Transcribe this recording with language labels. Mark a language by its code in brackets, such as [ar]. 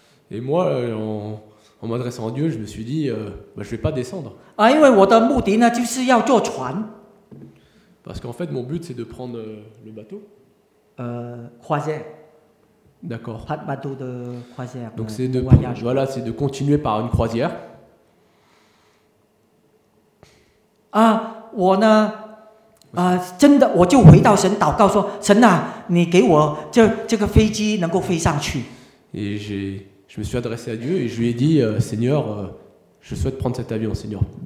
[fr] Et moi, en m'adressant à Dieu, je me suis dit, je ne vais pas descendre. [zh] 因为我的目的呢，就是要坐船。 [fr] Parce qu'en fait, mon but, c'est de prendre le bateau. Croisière. D'accord. Pas de bateau de croisière. Donc, c'est de voyage. Voilà, c'est de continuer par une croisière. [zh] 我呢，真的，我就回到神祷告说，神啊，你给我这个飞机能够飞上去。 [fr] Je me suis adressé à Dieu et je lui ai dit, Seigneur, je souhaite prendre cet avion, Seigneur.